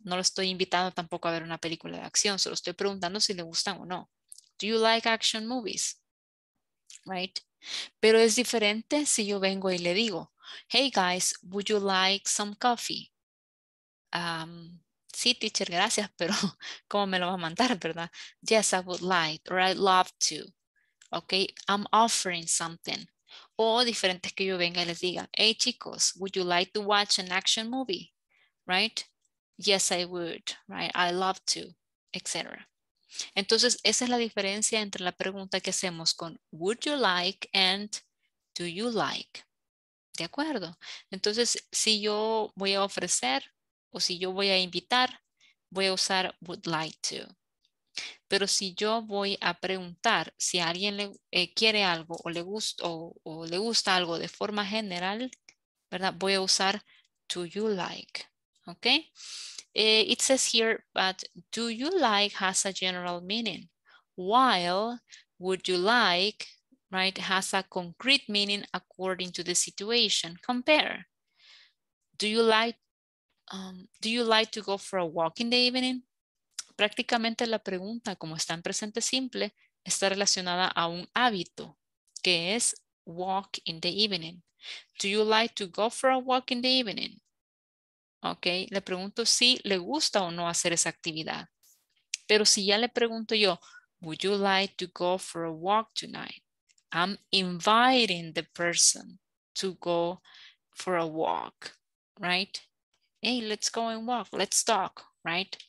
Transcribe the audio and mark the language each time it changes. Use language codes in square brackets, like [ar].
[es] No lo estoy invitando tampoco a ver una película de acción. Solo estoy preguntando si le gustan o no. [en] Do you like action movies? Right? [es] Pero es diferente si yo vengo y le digo, [en] hey guys, would you like some coffee? [es] Sí, teacher, gracias, pero ¿cómo me lo va a mandar, verdad? [en] Yes, I would like, or I'd love to. Okay, I'm offering something. [es] O diferente que yo venga y les diga, hey chicos, [en] would you like to watch an action movie? Right? Yes, I would, right? I'd love to, etc. [es] Entonces, esa es la diferencia entre la pregunta que hacemos con would you like and do you like. ¿De acuerdo? Entonces, si yo voy a ofrecer o si yo voy a invitar, voy a usar would like to. Pero si yo voy a preguntar si alguien le, quiere algo o le, le gusta algo de forma general, ¿verdad? Voy a usar do you like. ¿Ok? [en] It says here, but do you like has a general meaning, while would you like, right, has a concrete meaning according to the situation. Compare. Do you like to go for a walk in the evening? [es] Prácticamente la pregunta, como está en presente simple, está relacionada a un hábito, que es walk in the evening. [en] Do you like to go for a walk in the evening? [es] ¿ok? Le pregunto si le gusta o no hacer esa actividad. Pero si ya le pregunto yo, [en] would you like to go for a walk tonight? I'm inviting the person to go for a walk, right? Hey, let's go and walk, let's talk, right?